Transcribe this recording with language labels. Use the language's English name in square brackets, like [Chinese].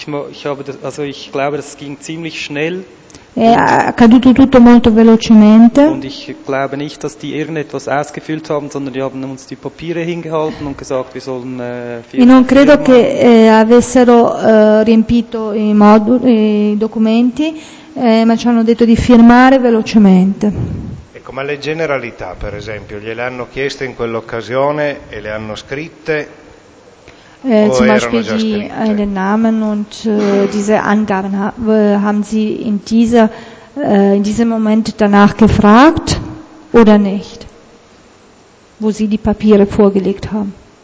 [German] Ich glaube, das ging ziemlich schnell. [Italian] È accaduto tutto molto velocemente. [German] Und ich glaube nicht, dass die irgendetwas ausgefüllt haben, sondern die haben uns die Papiere hingehalten und gesagt, wir sollen [Italian] firma. Non credo che avessero riempito i documenti, ma ci hanno detto di firmare velocemente. Ecco, ma le generalità, per esempio, gliele hanno chieste in quell'occasione e le hanno scritte? [German] Zum Beispiel den Namen und diese Angaben haben Sie in diesem Moment danach gefragt oder nicht, wo Sie die Papiere vorgelegt haben?